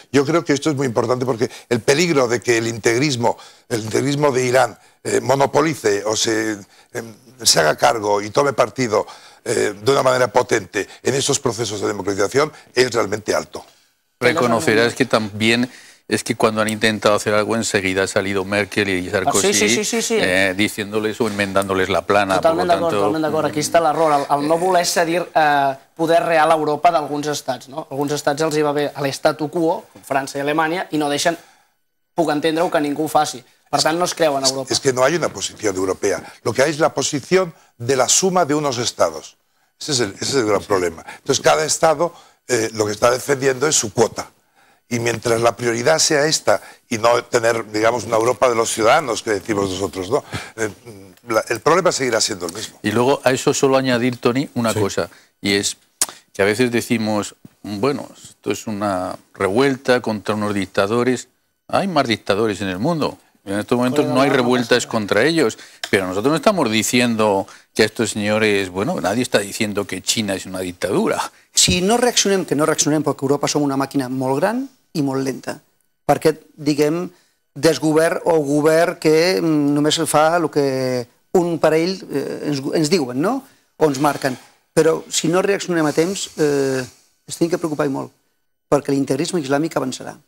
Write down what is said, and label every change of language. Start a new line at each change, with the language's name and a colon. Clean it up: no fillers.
Spanish: Yo creo que esto es muy importante porque el peligro de que el integrismo de Irán monopolice o se haga cargo y tome partido de una manera potente en esos procesos de democratización es realmente alto. Reconocerás que también... Es que cuando han intentado hacer algo, enseguida ha salido Merkel y Sarkozy diciéndoles o enmendándoles la plana.
Catalan: Totalment d'acord. Aquí està l'error, el no voler cedir poder real a Europa d'alguns estats. No? Alguns estats els hi va bé a l'estatu quo, França i Alemanya, i no deixen, puc entendre-ho, que ningú ho faci. Per tant, no es creu en Europa. És que no hi ha una posició europea. Lo que hi ha és la posició de la suma d'uns estats.
Spanish: Ese es el gran problema. Entonces, cada
Catalan: estat
Spanish: lo que
Catalan: està
Spanish: defendiendo
Catalan: és
Spanish: su quota. Y mientras la prioridad sea esta y no tener, digamos, una Europa de los ciudadanos, que decimos nosotros, ¿no? El problema seguirá siendo el mismo. Y luego a eso solo añadir, Tony, una cosa, y es que a veces decimos, bueno, esto es una revuelta contra unos dictadores. Hay más dictadores en el mundo. En estos momentos no hay revueltas contra ellos. Pero nosotros no estamos diciendo que a estos señores, bueno, nadie está diciendo que China es una dictadura.
Catalan: Si no reaccionem, que no reaccionem, perquè Europa som una màquina molt gran i molt lenta, perquè, diguem, desgovern o govern que només el fa el que un parell ens diuen, no? O ens marquen. Però si no reaccionem a temps, ens hem de preocupar molt, perquè l'integrisme islàmic avançarà.